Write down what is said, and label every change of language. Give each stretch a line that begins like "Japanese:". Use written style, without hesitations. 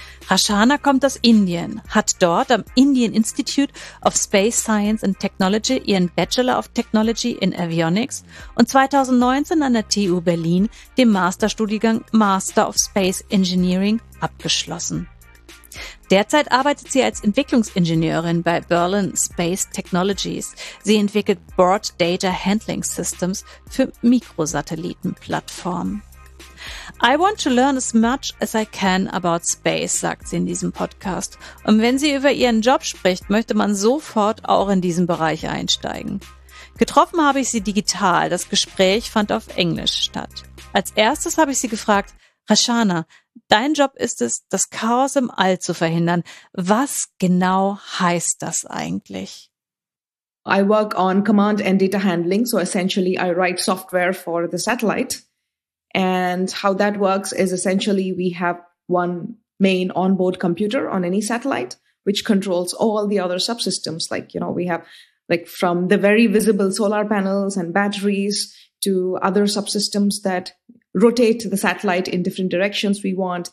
German: Rashana kommt aus Indien, hat dort am Indian Institute of Space Science and Technology ihren Bachelor of Technology in Avionics und 2019 an der TU Berlin den Masterstudiengang Master of Space Engineering abgeschlossen. Derzeit arbeitet sie als Entwicklungsingenieurin bei Berlin Space Technologies. Sie entwickelt Broad Data Handling Systems für Mikrosatellitenplattformen.
English: I want to learn as much as I can about space,
German: sagt sie in diesem Podcast. Und wenn sie über ihren Job spricht, möchte man sofort auch in diesen Bereich einsteigen. Getroffen habe ich sie digital. Das Gespräch fand auf Englisch statt. Als erstes habe ich sie gefragt, Rashana, dein Job ist es, das Chaos im All zu verhindern. Was genau heißt das eigentlich?
English: I work on command and data handling. So essentially I write software for the satellite. And how that works is essentially we have one main onboard computer on any satellite, which controls all the other subsystems. Like, you know, we have like from the very visible solar panels and batteries to other subsystems that rotate the satellite in different directions we want.